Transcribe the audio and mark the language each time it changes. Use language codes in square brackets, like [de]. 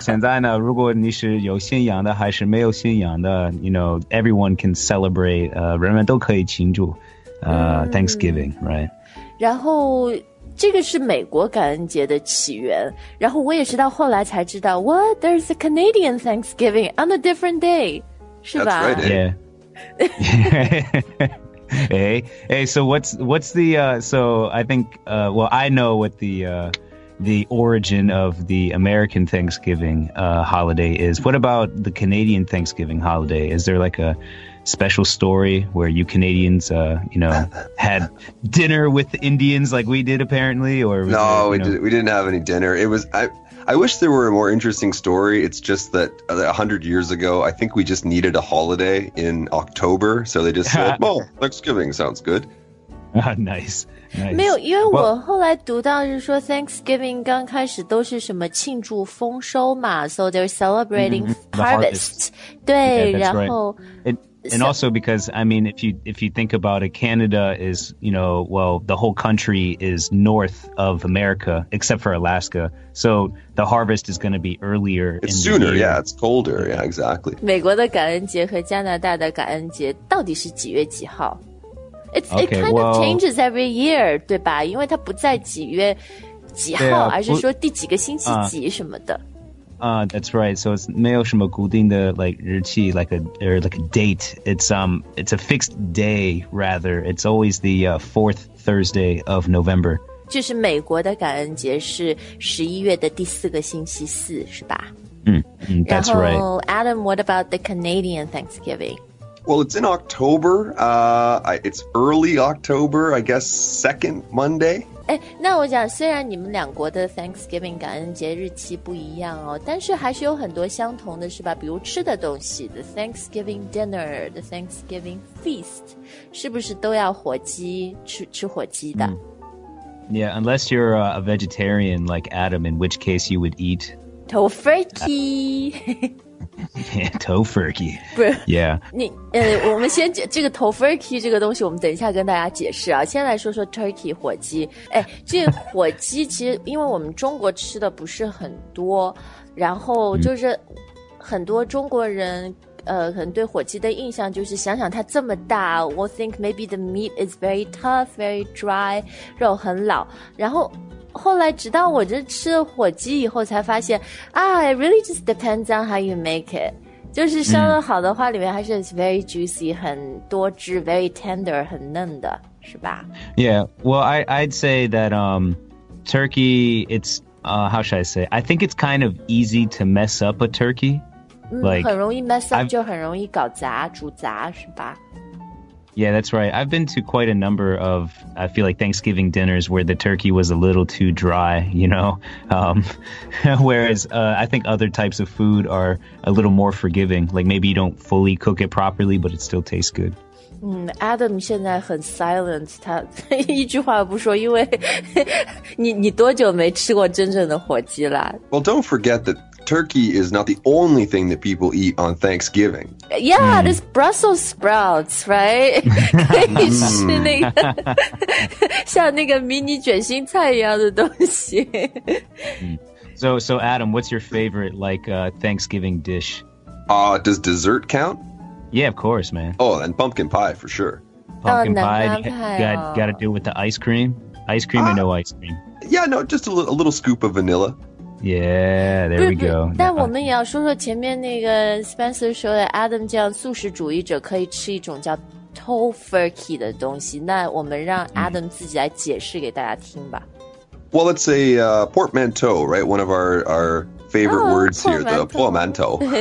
[zh] 现在呢，如果你是有信仰的还是没有信仰的， [en] you know, everyone can celebrate, [zh] 人们都可以庆祝Thanksgiving, right? 然后这个是美国感恩节的起源，然后我也是到后来才知道 What? [en] There's a Canadian Thanksgiving on a different day, 是吧？ That's right, yeah. hey, so I know what the origin of the American Thanksgiving holiday is. What about the Canadian Thanksgiving holiday? Is there like a special story where you Canadians, had dinner with the Indians like we did apparently? We didn't have any dinner. I wish there were a more interesting story. It's just that 100 years ago, I think we just needed a holiday in October. So they just said, well, Thanksgiving sounds good. Nice. [zh] 没有，因为我后来读到是说 Thanksgiving 刚开始都是什么庆祝丰收嘛。 [en] So they're celebrating harvest. [zh] 对， [en] yeah, [zh] 然后。 [en] And also because, I mean, if you think about it, Canada is, you know, well, the whole country is north of America, except for Alaska. So the harvest is going to be earlier. It's sooner, yeah. It's colder. Yeah, exactly. [zh] 美国的感恩节和加拿大的感恩节到底是几月几号？ [en] It kind of changes every year, [zh] 对吧？因为它不在几月几号，而是说第几个星期几什么的。 [en] That's right. So it's [zh] 没有什么固定的 [en] like [zh] 日期 [en] like a date. It's a fixed day rather. It's always the fourth Thursday of November. [zh] 就是美国的感恩节是11月的第四个星期四，是吧？ [en] That's right. Adam, what about the Canadian Thanksgiving? Well, it's in October. It's early October, I guess, second Monday. [zh] 那我讲，虽然你们两国的 Thanksgiving 感恩节日期不一样哦，但是还是有很多相同的，是吧？比如吃的东西 ， [en] the Thanksgiving dinner, the Thanksgiving feast, [zh] 是不是都要火鸡吃火鸡的、 [en] Yeah, unless you're a vegetarian like Adam, in which case you would eat tofurkey. Tofurkey. Yeah. [zh] 我们先这个 tofurkey 这个东西，我们等一下跟大家解释啊。先来说说 turkey 火鸡。这火鸡其实因为我们中国吃的不是很多，然后就是很多中国人可能对火鸡的印象就是想想它这么大 ， [en] we think maybe the meat is very tough, very dry, [zh] 肉很老，然后。后来直到我这吃了火鸡以后才发现啊 [en] it really just depends on how you make it. [zh] 就是烧得好的话里面还是 [en] very juicy, [zh] 很多汁 [en] very tender, [zh] 很嫩的是吧 [en] Yeah, well, I'd say that turkey, it's, how should I say, I think it's kind of easy to mess up a turkey. like, [zh] 很容易 [en] mess up, [zh] 就很容易搞砸煮砸是吧 [en] Yeah, that's right. I've been to quite a number of, I feel like, Thanksgiving dinners where the turkey was a little too dry, you know? whereas I think other types of food are a little more forgiving. Like maybe you don't fully cook it properly, but it still tastes good. [zh] Adam 现在很 [en] silent, [zh] 他一句话不说因为你多久没吃过真正的火鸡了 [en] Well, don't forget that turkey is not the only thing that people eat on Thanksgiving. Yeah,、mm. there's Brussels sprouts, right? [zh] 可以吃那个像那个迷你卷心菜一样的东西。 [en] So Adam, what's your favorite Thanksgiving dish?、 Does dessert count? Yeah, of course, man. Oh, and pumpkin pie, for sure. Pumpkin pie, got to do with the ice cream. Ice cream or no ice cream? Yeah, no, just a little scoop of vanilla. Yeah, there we go. [zh] 但我们也要说说前面那个 Spencer 说的 Adam 这样素食主义者可以吃一种叫 tofurkey 的东西。那我们让 Adam 自己来解释给大家听吧。 [en] Well, it's a portmanteau, right? One of our... favorite words here, the portmanteau.